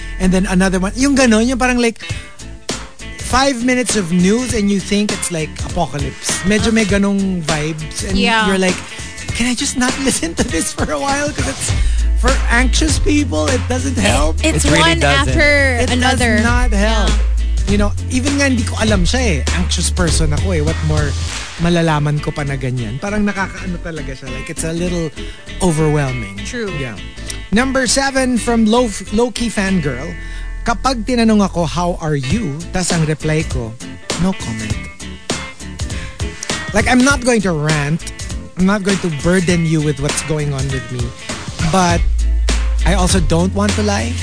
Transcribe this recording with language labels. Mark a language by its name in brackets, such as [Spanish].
[English] And then another one, [Filipino] yung ganon, yung parang [English] like 5 minutes of news and you think it's like apocalypse. [Filipino] Medyo may ganong vibes. And [English] yeah, you're like, can I just not listen to this for a while? Because it's for anxious people. It doesn't help. It's one really after it another. It does not help. Yeah. You know, even [Filipino] nga hindi ko alam siya eh. [English] Anxious person [Filipino] ako eh. [English] What more [Filipino] malalaman ko pa na ganyan? Parang nakakaano talaga siya. [English] Like, it's a little overwhelming. True. Yeah. Number 7 from Low-Key Fangirl. [Filipino] Kapag tinanong ako, [English] how are you? [Filipino] Tas ang reply ko, [English] no comment. Like, I'm not going to rant. I'm not going to burden you with what's going on with me. But I also don't want to lie.